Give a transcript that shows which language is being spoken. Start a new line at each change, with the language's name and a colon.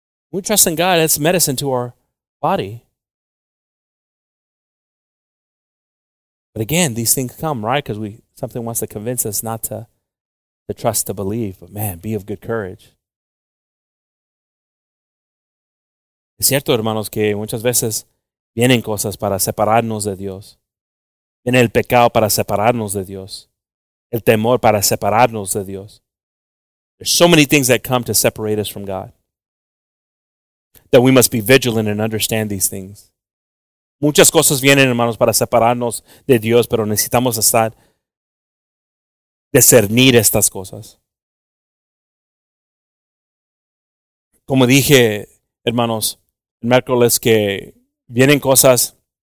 English: We trust in God, it's medicine to our body. But again, these things come, right? Because something wants to convince us not to trust, to believe. But man, be of good courage.
Spanish: Es cierto, hermanos, que muchas veces vienen cosas para separarnos de Dios. Viene el pecado para separarnos de Dios. El temor para separarnos de Dios.
English: There's so many things that come to separate us from God. That we must be vigilant and understand these things.
Spanish: Muchas cosas vienen, hermanos, para separarnos de Dios, pero necesitamos estar, discernir estas cosas. Como dije, hermanos, el miércoles, que vienen cosas